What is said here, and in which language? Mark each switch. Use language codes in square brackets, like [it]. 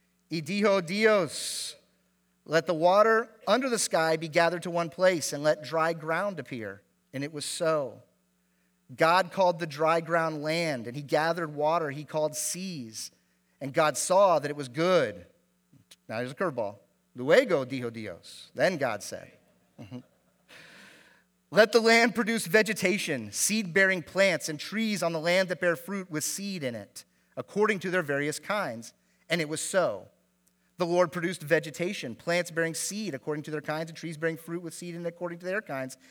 [es] Y dijo Dios, [en] let the water under the sky be gathered to one place, and let dry ground appear, and it was so. God called the dry ground land, and he gathered water he called seas, and God saw that it was good. Now here's a curveball. [es] Luego dijo Dios, [en] then God said. Let the land produce vegetation, seed-bearing plants and trees on the land that bear fruit with seed in it, according to their various kinds. And it was so. The Lord produced vegetation, plants bearing seed according to their kinds, and trees bearing fruit with seed in it according to their kinds.